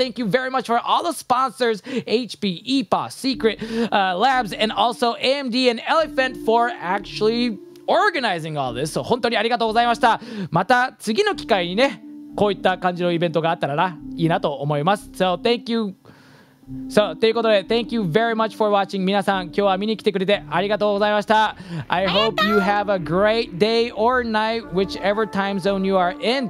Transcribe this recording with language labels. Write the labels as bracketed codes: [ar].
[en] Thank you very much for all the sponsors HP, EPOS, Secret, Labs and also AMD and Eliphant for actually organizing all this、so、 [ja] 本当にありがとうございました。また次の機会にねこういった感じのイベントがあったらないいなと思います。 [en] So, thank you. So, [ja] ということで、 [en] thank you very much for watching. [ja] 皆さん、今日は見に来てくれてありがとうございました。 [en] I hope you have a great day or night, whichever time zone you are in.